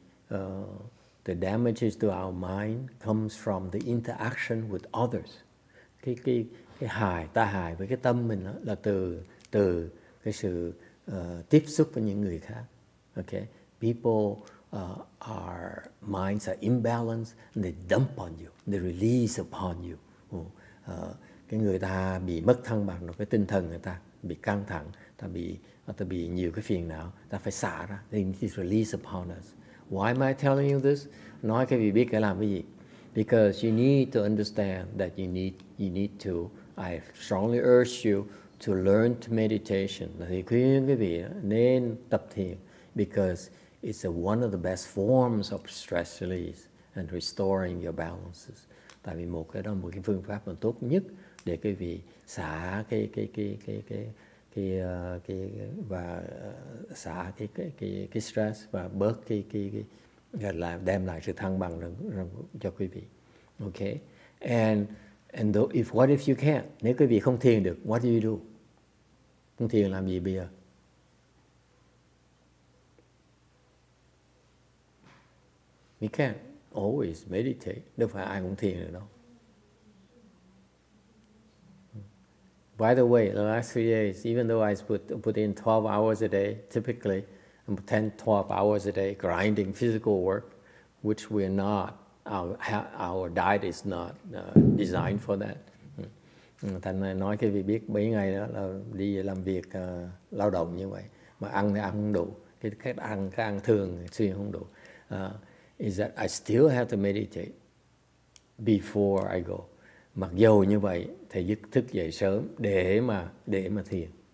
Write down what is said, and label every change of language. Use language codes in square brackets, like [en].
[en] Okay, the damages to our mind comes from the interaction with others. [vi] Cái hại, ta hại với cái tâm mình đó là từ cái sự tiếp xúc với những người khác. [en] Okay, people our minds are imbalanced and they dump on you, they release upon you. [vi] Cái người ta bị mất thăng bằng rồi, cái tinh thần người ta bị căng thẳng, ta bị nhiều cái phiền não, ta phải xả ra, [en] they need to release upon us. Why am I telling you this? [vi] Nói cái gì biết cái làm cái gì? [en] Because you need to understand that you need to. I strongly urge you to learn to meditation. [vi] Thì khuyên cái gì nên tập thiền, [en] because it's one of the best forms of stress release and restoring your balances. [vi] Tại vì một cái phương pháp mà tốt nhất để cái gì xả cái stress và bớt cái là đem lại sự thăng bằng cho quý vị. [en] Okay, and what if you can't, [vi] nếu quý vị không thiền được, [en] what do you do? [vi] Không thiền làm gì bây giờ? [en] We can't always meditate. [vi] Đâu phải ai cũng thiền được đâu. [en] By the way, the last 3 days, even though I put in 12 hours a day, typically 10, 12 hours a day grinding physical work, which we're not, our diet is not designed for that. [vi] Thành nói cái vị biết mấy ngày đó là đi làm việc lao động như vậy mà ăn thì ăn không đủ, cái cách ăn cái ăn thường xuyên không đủ. [en] Is that I still have to meditate before I go. [vi] Mặc dù như vậy thầy dứt thức dậy sớm để mà thiền.